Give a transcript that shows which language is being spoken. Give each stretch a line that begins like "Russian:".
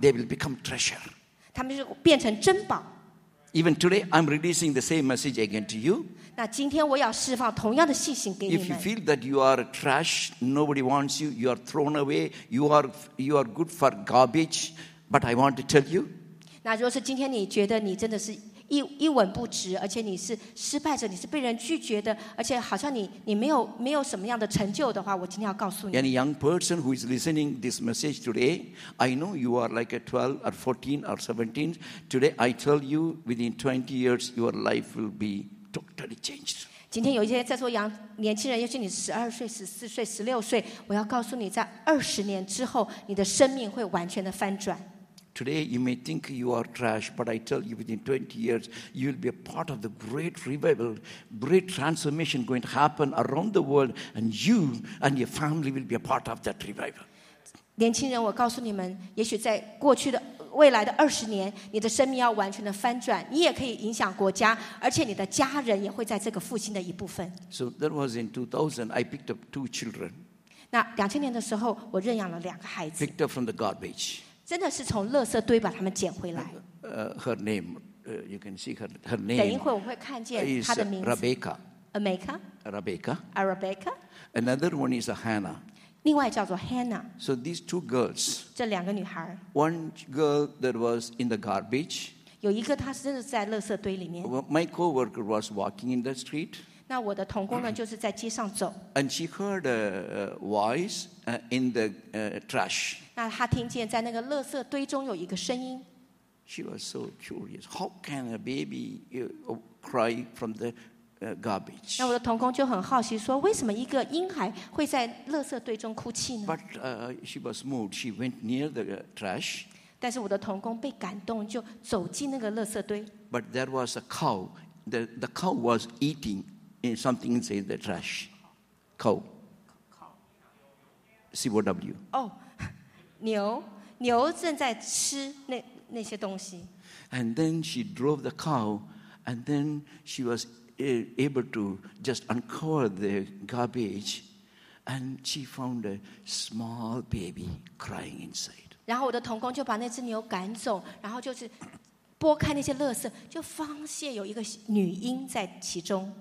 English: They will become treasure.
Chinese: 他们就变成珍宝。
English: Even today, I'm releasing the same message again to you.
Chinese: 那今天我要释放同样的信息给你们。
English: If you feel that you are trash, nobody wants you, you are thrown away, you are good for garbage, but I want to tell you.
Chinese: 那如果是今天你觉得你真的是一文不值，而且你是失败者，你是被人拒绝的，而且好像你没有什么样的成就的话，我今天要告诉你。
English: Any young person who is listening this message today, I know you are like a 12 or 14 or 17. Today I tell you, within 20 years, your life will be totally changed.
Chinese: 今天有一些在座年轻人，也许你12岁、14岁、16岁，我要告诉你，在20年之后，你的生命会完全的翻转。
English: Today you may think you are trash, but I tell you, within 20 years, you will be a part of the great revival, great transformation going to happen around the world, and you and your family will be a part of that revival.
Chinese: 年轻人，我告诉你们，也许在过去的未来的二十年，你的生命要完全的翻转，你也可以影响国家，而且你的家人也会在这个复兴的一部分。
English: So that was in 2000. I picked up two children.
Chinese: 那两千年的时候，我认养了两个孩子。
English: Picked up from the garbage.
Chinese: 真的是从垃圾堆把他们捡回来。
English: Her name, you can see her name.
Chinese: 等一会我会看见她的名字。
English: Rebecca. Rebecca. Rebecca. Rebecca. Another one is Hannah.
Chinese: 另外叫做 Hannah.
English: So these two girls.
Chinese: 这两个女孩。
English: One girl that was in the garbage.
Chinese: 有一个她真的在垃圾堆里面。
English: My coworker was walking in the street.
Chinese: 那我的同工呢就是在街上走。
English: And she heard a voice in the trash.
Chinese: 那他听见在那个垃圾堆中有一个声音。
English: She was so curious. How can a baby cry from the garbage?
Chinese: 那我的同工就很好奇说，为什么一个婴孩会在垃圾堆中哭泣呢
English: ？But she was moved. She went near the trash.
Chinese: 但是我的同工被感动，就走进那个垃圾堆。
English: But there was a cow. The cow was eating in something inside the trash. Cow. C-O-W.
Chinese: Oh. 牛正在吃 那些东西。
English: And then she drove the cow, and then she was able to just uncover the garbage, and she found a small baby crying inside.
Chinese: 然后我的同工就把那只牛赶走，然后就是拨开那些垃圾，就发现有一个女婴在其中。